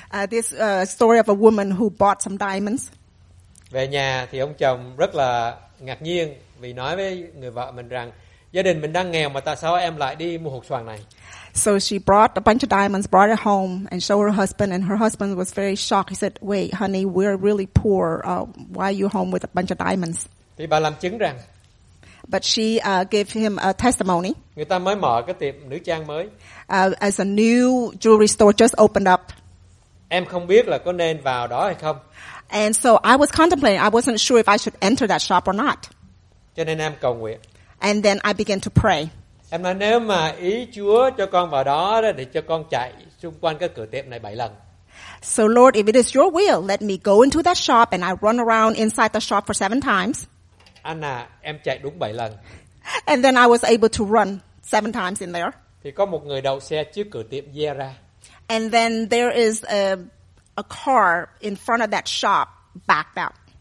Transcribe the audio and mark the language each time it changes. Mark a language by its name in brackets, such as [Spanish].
[English] This story of a woman who bought some diamonds. [Vietnamese] Về nhà thì ông chồng rất là ngạc nhiên vì nói với người vợ mình rằng gia đình mình đang nghèo mà tại sao em lại đi mua hột xoàn này. [English] So she brought a bunch of diamonds, brought it home, and showed her husband. And her husband was very shocked. He said, "Wait, honey, we're really poor. Why are you home with a bunch of diamonds?" [Vietnamese] Thì bà làm chứng rằng. [English] But she gave him a testimony. [Vietnamese] Người ta mới mở cái tiệm nữ trang mới. [English] As a new jewelry store just opened up. [Vietnamese] Em không biết là có nên vào đó hay không. [English] And so I was contemplating. I wasn't sure if I should enter that shop or not. [Vietnamese] Cho nên em cầu nguyện. [English] And then I began to pray. [Vietnamese] Em nói nếu mà ý Chúa cho con vào đó thì cho con chạy xung quanh cái cửa tiệm này 7 lần. [English] So Lord, if it is your will, let me go into that shop and I run around inside the shop for 7 times. [Vietnamese] Anna, em chạy đúng 7 lần. [English] And then I was able to run 7 times in there. [Vietnamese] Thì có một người đậu xe trước cửa tiệm dè ra. [English] And then there is a car in front of that shop backed up.